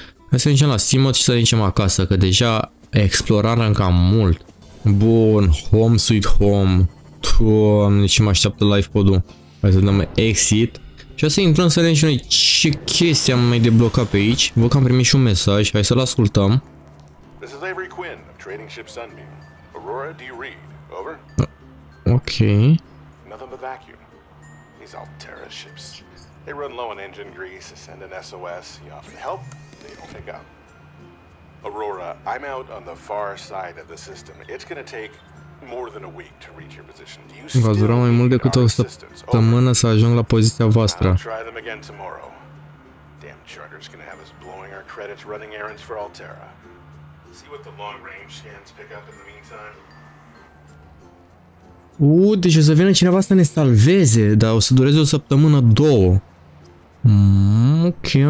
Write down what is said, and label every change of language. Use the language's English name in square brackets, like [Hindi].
[Romanian] Hai să mergem la Simot și să mergem acasă, că deja explorăm cam mult. Bun, [English] home sweet home. [Romanian] Doamne, ce mă așteaptă life pod-ul. Hai să dăm exit. Și o să intrăm să vedem și noi ce chestii am mai deblocat pe aici. Văd că am primit și un mesaj. Hai să-l ascultăm. [English] This is Avery Quinn of Trading Ship Sunbeam. Aurora, do you read? Over. Ok. Nothing but vacuum. These Altera ships. They run low on engine grease, send an SOS. You offer help, they don't pick up. Aurora, I'm out on the far side of the system. It's gonna take more than a week to reach your position. Do you still need our assistance? [Romanian] Va dura mai mult decât o săptămână să ajung la poziția voastră. [English] I'll try them again tomorrow. Damn charter's gonna have us blowing our credits running errands for Altera. See what the long range scans pick up in the meantime. [Romanian] Deci o să vină cineva să ne salveze, dar o să dureze o săptămână, două. Ok.